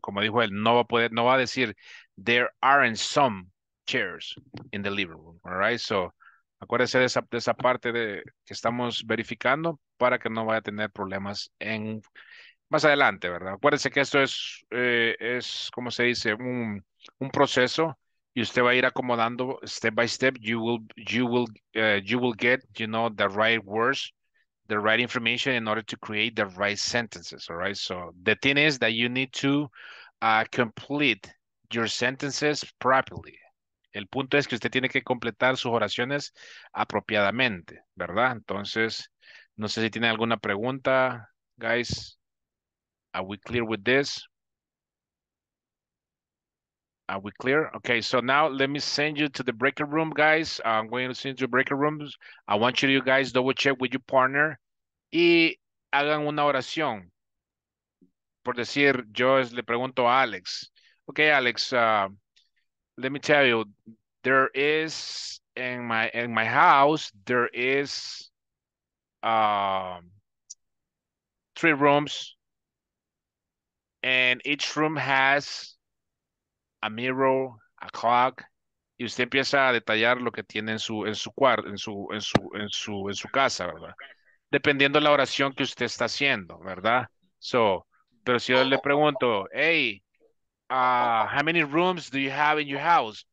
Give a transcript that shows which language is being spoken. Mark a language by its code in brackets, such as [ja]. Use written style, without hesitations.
[es] Como dijo él, no va a decir [en] there aren't some chairs in the living room, all right? [es] So, acuérdese de esa parte de que estamos verificando para que no vaya a tener problemas en más adelante, ¿verdad? Acuérdese que esto es como se dice, un proceso. Y usted va a ir acomodando [en] step by step. You will get, you know, the right words, the right information in order to create the right sentences. All right. So the thing is that you need to complete your sentences properly. [es] El punto es que usted tiene que completar sus oraciones apropiadamente, ¿verdad? Entonces, no sé si tiene alguna pregunta, guys. [en] Are we clear with this? Are we clear? Okay, so now let me send you to the breakout room, guys. I'm going to send you to the breakout rooms. I want you guys to double check with your partner. [es] Y hagan una oración. Por decir, yo le pregunto a Alex. [en] Okay, Alex, let me tell you. There is in my house there is three rooms, and each room has a mirror, a clock. [es] Y usted empieza a detallar lo que tiene en su casa, ¿verdad? Dependiendo la oración que usted está haciendo, ¿verdad? Pero si yo le pregunto, [en] hey, how many rooms do you have in your house?